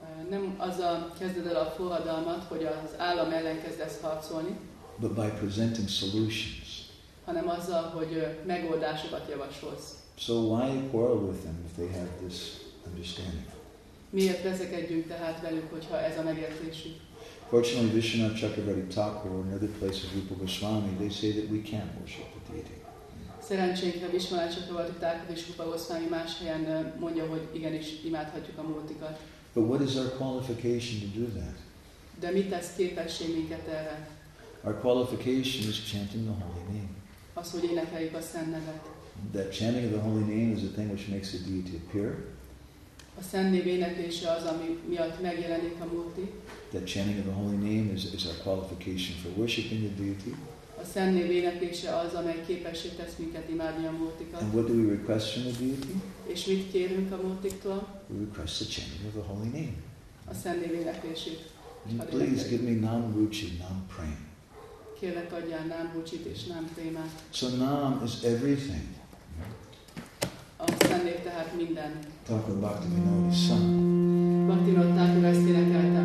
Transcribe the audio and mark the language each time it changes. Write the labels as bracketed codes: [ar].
[hu] Nem az a kezded el a forradalmat, hogy az állam ellen kezdesz harcolni. [en] But by presenting solutions. [hu] Hanem azzal, hogy megoldásokat javasolsz. [en] So why quarrel with them if they have this understanding? [hu] Miért veszekedjünk tehát velük, hogyha ez a megértésük? [en] Fortunately, Vishwanath Chakravarti Thakur or another place of Rupa Goswami, they say that we can worship the deity. [hu] Szerencsénkre Vishwanath Chakravarti Thakur és Rupa Goswami más helyen mondja, hogy igenis imádhatjuk a múltikat. [en] But what is our qualification to do that? [hu] De mit tesz képessé minket erre? [en] Our qualification is chanting the holy name. [hu] Az, hogy énekeljük a szent nevet. [en] That chanting of the holy name is the thing which makes the deity appear. [hu] A szent név éneklése az, ami miatt megjelenik a múlti. [en] That chanting of the holy name is our qualification for worshiping the deity. [hu] A szent név éneklése az, amely képessé tesz minket imádni a múltikat. [en] And what do we request from the deity? [hu] És mit kérünk a múltiktól? [en] We request the chanting of the holy name. [hu] A szent név éneklését. [en] Please give me nam ruchi, nam prem. [hu] Kérlek adjál nam ruchit és nam premát. [en] So nam is everything. [hu] A szent név tehát minden. [en] Thakur Bhaktivinoda Sam. [hu] Bhaktivinoda Thakur ezt énekelte.